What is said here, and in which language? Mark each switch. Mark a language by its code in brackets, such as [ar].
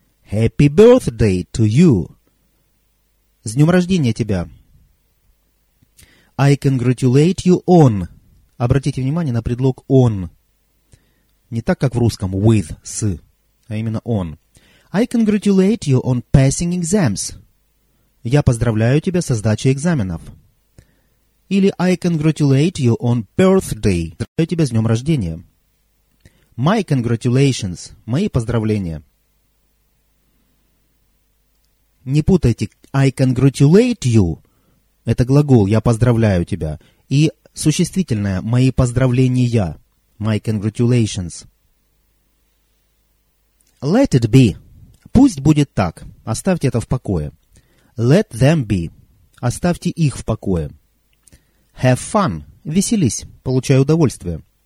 [en] «Happy birthday to you!» [ru] «С днем рождения тебя!» [en] I congratulate you on. [ru] Обратите внимание на предлог on. Не так, как в русском with, с, а именно on. [en] I congratulate you on passing exams. [ru] Я поздравляю тебя со сдачей экзаменов. Или [en] I congratulate you on birthday. [ru] Поздравляю тебя с днем рождения. [en] My congratulations. [ru] Мои поздравления. [en] Не путайте I congratulate you. [ru] Это глагол «я поздравляю тебя» и существительное «мои поздравления» – [en] «my congratulations». Let it be [ru] – пусть будет так, оставьте это в покое. [en] Let them be [ru] – оставьте их в покое. [en] Have fun [ru] – веселись, получай удовольствие.